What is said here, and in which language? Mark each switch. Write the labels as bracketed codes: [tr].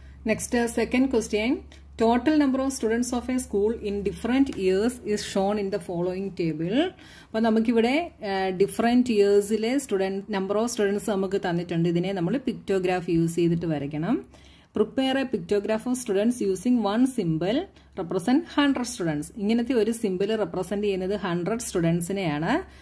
[en] Next second question, total number of students of a school in different years is shown in the following table. [ml] അപ്പോൾ നമുക്കിവിടെ different ഇയേഴ്സിലെ സ്റ്റുഡൻ number of students നമുക്ക് തന്നിട്ടുണ്ട്. ഇതിനെ നമ്മൾ pictograph use ചെയ്തിട്ട് വരയ്ക്കണം. [en] prepare a pictograph of students using one symbol represent 100 students. [ml] ഇങ്ങനത്തെ ഒരു symbol represent ചെയ്യുന്നത് 100 students നെയാണ്.